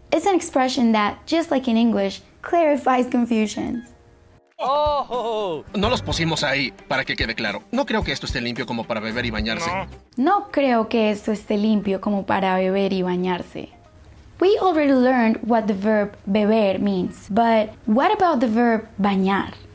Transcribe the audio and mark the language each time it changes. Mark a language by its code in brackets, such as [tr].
[en] It's an expression that, just like in English, clarifies confusions. [es] No los pusimos ahí, para que quede claro. No creo que esto esté limpio como para beber y bañarse. [en] We already learned what the verb beber means, but what about the verb bañar?